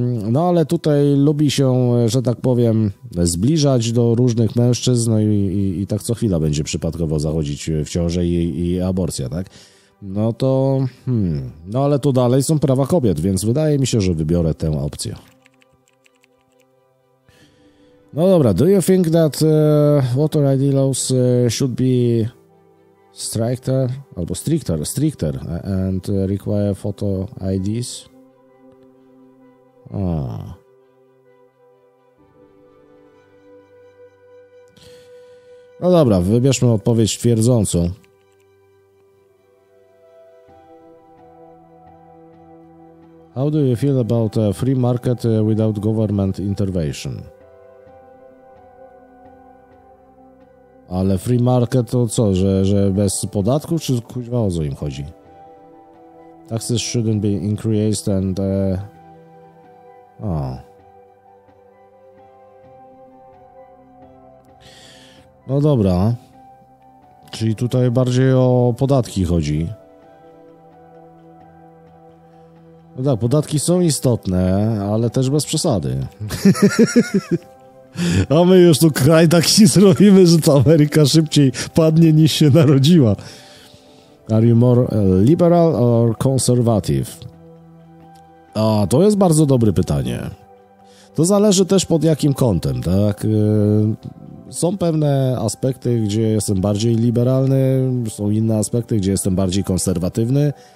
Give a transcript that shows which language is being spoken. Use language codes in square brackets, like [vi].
[pl] No ale tutaj lubi się, że tak powiem, zbliżać do różnych mężczyzn, no i tak co chwila będzie przypadkowo zachodzić w ciążę i aborcja, tak? No to... No ale tu dalej są prawa kobiet, więc wydaje mi się, że wybiorę tę opcję. No dobra, [en] do you think that voter ID laws should be stricter, albo stricter and require photo IDs? [pl] No dobra, wybierzmy odpowiedź twierdzącą. [en] How do you feel about a free market without government intervention? [pl] Ale free market to co, że bez podatków, czy kuźwa, o co im chodzi? [en] Taxes shouldn't be increased and... [pl] No dobra. Czyli tutaj bardziej o podatki chodzi. No tak, podatki są istotne, ale też bez przesady. A my już tu kraj taki zrobimy, że ta Ameryka szybciej padnie niż się narodziła. [en] Are you more liberal or conservative? [pl] A, to jest bardzo dobre pytanie. To zależy też pod jakim kątem, tak? są pewne aspekty, gdzie jestem bardziej liberalny, są inne aspekty, gdzie jestem bardziej konserwatywny.